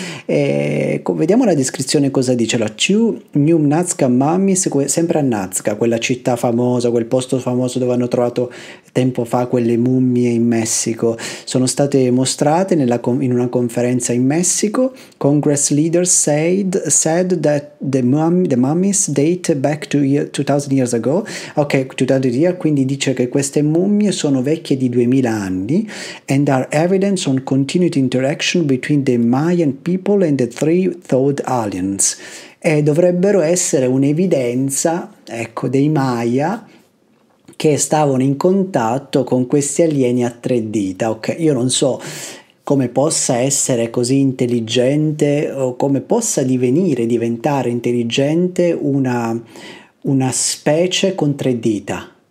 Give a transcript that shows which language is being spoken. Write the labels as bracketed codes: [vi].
[it] Vediamo la descrizione, cosa dice la New Nazca Mummies, sempre a Nazca, quella città famosa, quel posto famoso dove hanno trovato tempo fa quelle mummie in mezzo. Sono state mostrate in una conferenza in Messico. [en] Congress leaders said that the mummies date back to 2000 years ago. [it] Ok, [en] 2000 years, [it] quindi dice che queste mummie sono vecchie di 2000 anni. [en] And are evidence on continued interaction between the Mayan people and the three-thawed aliens. [it] E dovrebbero essere un'evidenza, ecco, dei Maya, che stavano in contatto con questi alieni a 3 dita. Ok, io non so come possa essere così intelligente o come possa diventare intelligente una specie con 3 dita.